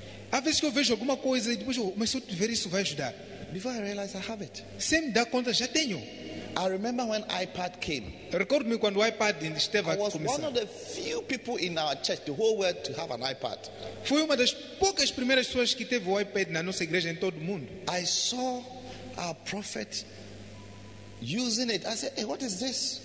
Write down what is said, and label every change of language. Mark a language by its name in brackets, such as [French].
[Portuguese] Há vezes que eu vejo alguma coisa e depois eu, mas se eu tiver isso vai ajudar. [English] Before I realize I have it. [Portuguese] Sem dar conta já tenho. [English] I remember when iPad came. [Portuguese] Recordo-me quando o iPad esteve a começar. [English] I was one of the few people in our church, the whole world, to have an iPad. [Portuguese] Fui uma das poucas primeiras pessoas que teve o iPad na nossa igreja em todo o mundo. [English] I saw our prophet using it. I said, "Hey, what is this?"